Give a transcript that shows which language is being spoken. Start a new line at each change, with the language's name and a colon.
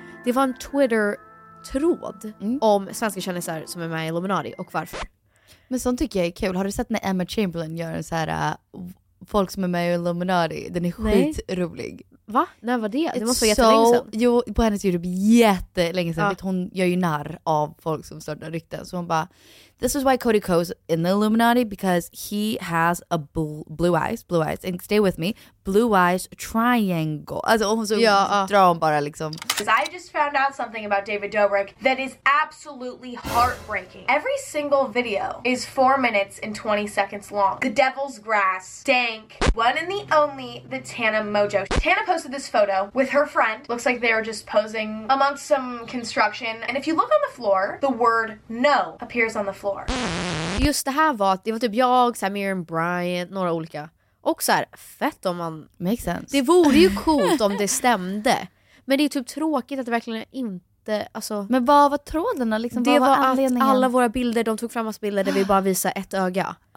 Swedish: Det var en Twitter tråd om svenska kändisar som är med i Illuminati och varför. Men sånt tycker jag är kul. Har du sett när Emma Chamberlain gör en så här folk som är med i Illuminati? Den är skitrolig. Va? När var det? Det måste vara jättelänge sedan. Jo, på hennes YouTube jättelänge sedan. Ja. Hon gör ju narr av folk som startar rykten. Så hon bara,
English: this is why Cody Ko's in the Illuminati because he has a blue eyes and stay with me, blue eyes triangle.
Swedish: Alltså hon så ja, drar hon bara liksom.
English: Because I just found out something about David Dobrik that is absolutely heartbreaking. Every single video is 4 minutes and 20 seconds long. The devil's grass, stank, one and the only, the Tana Mojo. Tana posted this photo with her friend. Looks like they are just posing amongst some construction. And if you look on the floor, the word no appears on the floor.
Swedish: Just det här var att det var typ jag, Miriam Bryant, några olika. Och såhär, fett om man...
English: Makes sense.
Swedish: Det vore ju coolt om det stämde. Men det är typ tråkigt att det verkligen inte... Alltså... Men vad var trådarna? Liksom? Det vad var att alla våra bilder, de tog fram oss bilder där vi bara visade ett öga.